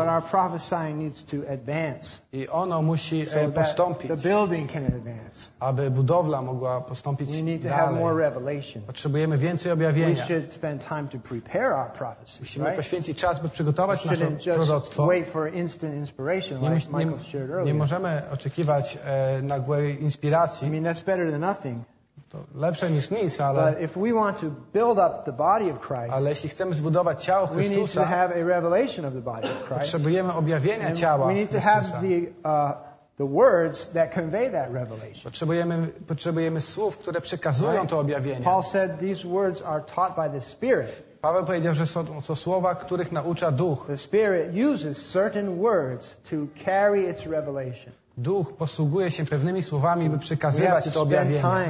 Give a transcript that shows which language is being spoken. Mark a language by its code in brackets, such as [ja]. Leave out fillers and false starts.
[en] But our prophesying needs to advance. [pl] I ono musi postąpić, [en] the building can advance. [pl] Aby budowla mogła postąpić [en] we need to [pl] dalej. [en] Have more revelation. [pl] Potrzebujemy więcej objawienia. [en] We should spend time to prepare our prophecies, [pl] musimy [en] right? [pl] poświęcić czas, by przygotować nasze proroctwo. [en] Wait for instant inspiration, like Michael shared earlier. [pl] Nie możemy oczekiwać nagłej inspiracji. [en] I mean, that's better than nothing. [pl] To lepsze niż nic, ale [en] but if we want to build up the body of Christ, [pl] ale jeśli chcemy zbudować ciało Chrystusa, [en] we need to have a revelation of the body of Christ. [pl] Potrzebujemy objawienia ciała [en] we need to [pl] Chrystusa. [en] Have the words that convey that revelation. [pl] Potrzebujemy słów, które przekazują [en] right. [pl] to objawienie. [en] Paul said these words are taught by the Spirit. [pl] Paweł powiedział, że są to słowa, których naucza Duch. [en] The Spirit uses certain words to carry its revelation. [pl] Duch posługuje się pewnymi słowami, by przekazywać to objawienie.